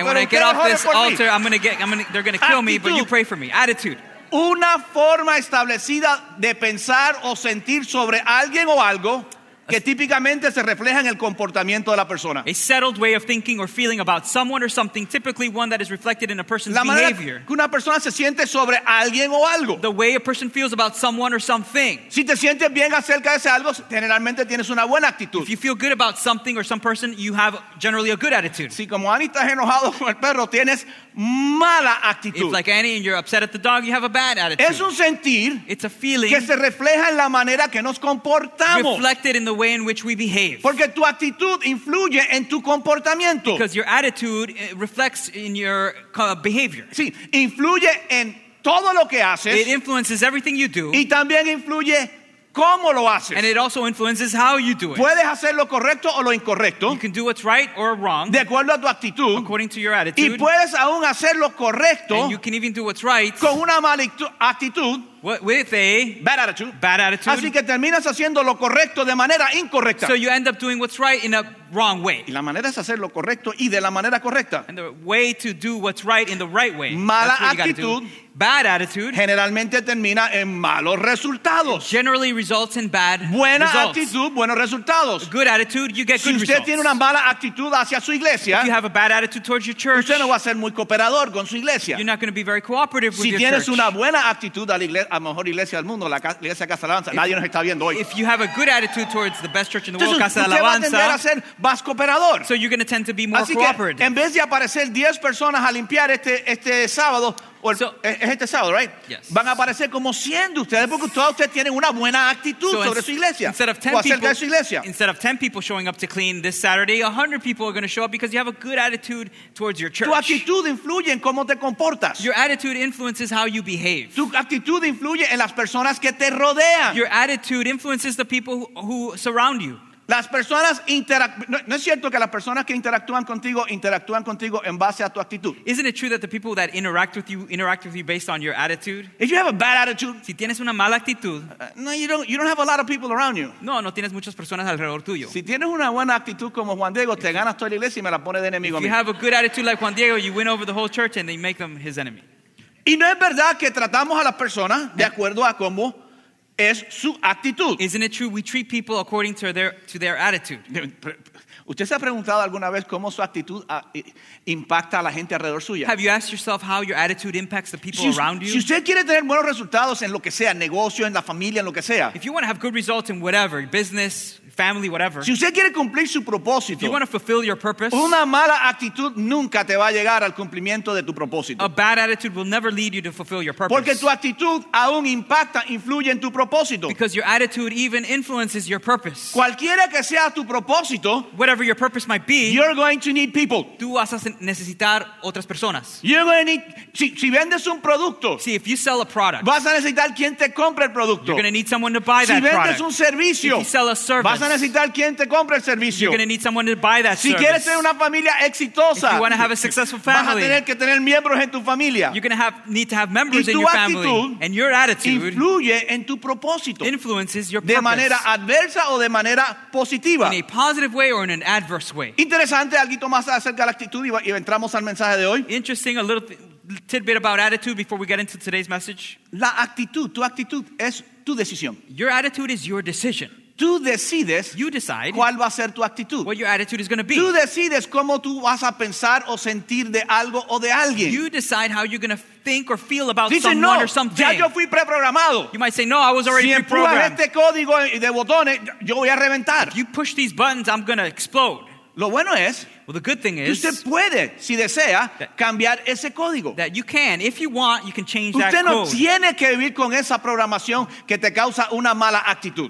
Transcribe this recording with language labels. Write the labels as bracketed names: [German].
[English] And when I get off this altar, they're going to kill me, but you pray for me. Attitude. [Spanish] Una forma establecida de pensar o sentir sobre alguien o algo. que típicamente se refleja en el comportamiento de la persona. [English] A settled way of thinking or feeling about someone or something, typically one that is reflected in a person's [Spanish] la manera [English] behavior. [Spanish] Que una persona se siente sobre alguien o algo. [English] The way a person feels about someone or something. [Spanish] Si te sientes bien acerca de ese algo, generalmente tienes una buena actitud. [English] If you feel good about something or some person, you have generally a good attitude. [Spanish] Si como Annie estás enojado con el perro, tienes mala actitud. [English] If like Annie and you're upset at the dog, you have a bad attitude. [Spanish] Es un sentir. [English] It's a feeling. [Spanish] Que se refleja en la manera que nos comportamos. [English] Reflected in the way in which we behave. [Spanish] Porque tu actitud influye en tu comportamiento. [English] Because your attitude reflects in your behavior. [Spanish] Sí, influye en todo lo que haces. [English] It influences everything you do. [Spanish] Y también influye cómo lo haces. [English] And it also influences how you do it. [Spanish] Puedes hacer lo correcto o lo incorrecto. [English] You can do what's right or wrong. [Spanish] De acuerdo a tu actitud. [English] According to your attitude. [Spanish] Y puedes aún hacer lo correcto. [English] And you can even do what's right. [Spanish] Con una mala actitud. [English] With a bad attitude. Bad attitude. [Spanish] Así que terminas haciendo lo correcto de manera incorrecta. [English] So you end up doing what's right in a wrong way. [Spanish] Y la manera es hacer lo correcto y de la manera correcta. [English] And the way to do what's right in the right way. [Spanish] Mala actitud. [English] Bad attitude. [Spanish] Generalmente termina en malos resultados. [English] It generally results in bad [Spanish] buena [English] results. [Spanish] Actitud, buenos resultados. [English] A good attitude, you get [Spanish] si [English] good results. [Spanish] Si usted tiene una mala actitud hacia su iglesia, [English] if you have a bad attitude towards your church, [Spanish] usted no va a ser muy cooperador con su iglesia. [English] You're not going to be very cooperative [Spanish] si [English] with your church. [Spanish] Si tienes una buena actitud a la iglesia, a mejor iglesia del mundo, la iglesia Casa Alabanza, nadie nos está viendo hoy. [English] If you have a good attitude towards the best church in the world, [Spanish] entonces, Casa Alabanza, usted va a tender a ser más cooperador. [English] So you're going to tend to be more [Spanish] así [English] cooperative. [Spanish] Que, en vez de aparecer 10 personas a limpiar este sábado, es este sábado, [English] right? Yes. [Spanish] Van a aparecer como 100 de ustedes porque todos ustedes tienen una buena actitud sobre su iglesia. [English] Instead of 10 [Spanish] o acerca [English] people, [Spanish] de su iglesia. [English] Instead of 10 people showing up to clean this Saturday, 100 people are going to show up because you have a good attitude towards your church. [Spanish] Tu actitud influye en cómo te comportas. [English] Your attitude influences how you behave. [Spanish] Tu actitud influye en las personas que te rodean. [English] Your attitude influences the people who surround you. [Spanish] Las personas no es cierto que las personas que interactúan contigo en base a tu actitud. [English] Isn't it true that the people that interact with you based on your attitude? If you have a bad attitude, [Spanish] si tienes una mala actitud, [English] no, you don't have a lot of people around you. [Spanish] No, no tienes muchas personas alrededor tuyo. Si tienes una buena actitud como Juan Diego, te ganas toda la iglesia y me la pones de enemigo a mí. [English] If you have a good attitude like Juan Diego, you win over the whole church and they make them his enemy. [Spanish] Y no es verdad que tratamos a las personas de acuerdo a cómo es su actitud. [English] Isn't it true we treat people according to their attitude? [Spanish] ¿Usted se ha preguntado alguna vez cómo su actitud impacta a la gente alrededor suya? [English] Have you asked yourself how your attitude impacts the people around you? [Spanish] Si usted quiere tener buenos resultados en lo que sea, negocio, en la familia, en lo que sea. [English] If you want to have good results in whatever, business, family, whatever. [Spanish] Si usted quiere cumplir su propósito. [English] If you want to fulfill your purpose. [Spanish] Una mala actitud nunca te va a llegar al cumplimiento de tu propósito. [English] A bad attitude will never lead you to fulfill your purpose. [Spanish] Porque tu actitud aún impacta, influye en tu propósito. [English] Because your attitude even influences your purpose. [Spanish] Cualquiera que sea tu propósito. [English] Whatever your purpose might be. You're going to need people. [Spanish] Tú vas a necesitar otras personas. [English] You're going to need, [Spanish] si vendes un producto. [English] See, if you sell a product. [Spanish] Vas a necesitar quien te compre el producto. [English] You're going to need someone to buy that [Spanish] si vendes [English] product. [Spanish] Un servicio. [English] If you sell a service. [Spanish] Vas a necesitar quien te compre el servicio. [English] You're going to need someone to buy that [Spanish] si [English] service. [Spanish] Si quieres tener una familia exitosa. [English] If you want to have a successful family. [Spanish] Vas a tener que tener miembros en tu familia. [English] You're going to need to have members in your family. [Spanish] Y tu actitud. [English] And your attitude. [Spanish] Influye en tu propósito. [English] Influences your purpose. [Spanish] De manera adversa o de manera positiva. [English] In a positive way or in an adverse way. [Spanish] Interesante, algo más acerca de la actitud y entramos al mensaje de hoy. [English] Interesting, a little tidbit about attitude before we get into today's message. [Spanish] La actitud, tu actitud es tu decisión. [English] Your attitude is your decision. [Spanish] Tú decides [English] you decide [Spanish] cuál va a ser tu actitud. [English] What your attitude is going to be. [Spanish] Tú decides cómo tú vas a pensar o sentir de algo o de alguien. [English] You decide how you're going to think or feel about [Spanish] dice, [English] someone [Spanish] no, [English] or something. [Spanish] Ya yo fui preprogramado. [English] You might say, no, I was already [Spanish] si [English] preprogrammed. [Spanish] Si empujas este código de botones, yo voy a reventar. [English] If you push these buttons, I'm going to explode. [Spanish] Lo bueno es, [English] well, the good thing is, [Spanish] usted puede, si desea, cambiar ese código. [English] That you can, if you want, you can change that code. [Spanish] Usted no tiene que vivir con esa programación que te causa una mala actitud.